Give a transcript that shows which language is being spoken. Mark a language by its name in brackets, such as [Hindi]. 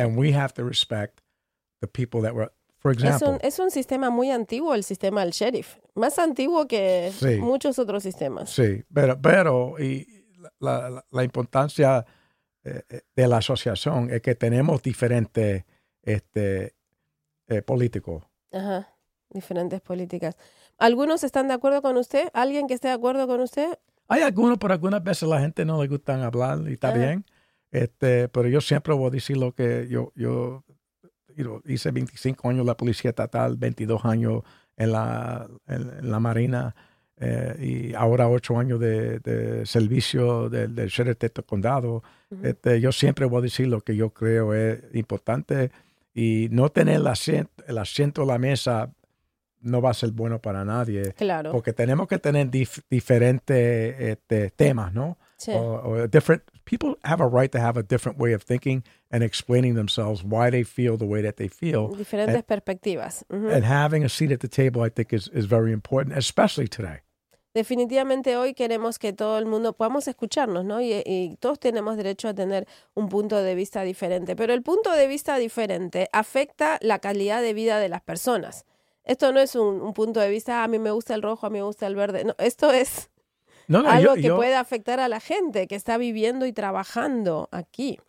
[English] And we have to respect the people that were... For example, [Spanish] es un sistema muy antiguo, el sistema del sheriff. Más antiguo que muchos otros sistemas. Sí, pero y la importancia de la asociación es que tenemos diferentes políticos. Ajá, diferentes políticas. ¿Algunos están de acuerdo con usted? ¿Alguien que esté de acuerdo con usted? Hay algunos, pero algunas veces la gente no le gusta hablar y está bien. Pero yo siempre voy a decir lo que yo hice 25 años en la policía estatal, 22 años en la marina, y ahora 8 años de servicio del sheriff de este condado. Uh-huh. Yo siempre voy a decir lo que yo creo es importante, y no tener el asiento en la mesa no va a ser bueno para nadie. Claro. Porque tenemos que tener diferentes temas, ¿no? Sí. O [English] different people have a right to have a different way of thinking and explaining themselves, why they feel the way that they feel. [Spanish] Diferentes perspectivas. Uh-huh. [English] And having a seat at the table, I think, is very important, especially today. [Spanish] Definitivamente hoy queremos que todo el mundo podamos escucharnos, ¿no? Y todos tenemos derecho a tener un punto de vista diferente. Pero el punto de vista diferente afecta la calidad de vida de las personas. Esto no es un punto de vista, a mí me gusta el rojo, a mí me gusta el verde. No, esto es algo que puede afectar a la gente que está viviendo y trabajando aquí.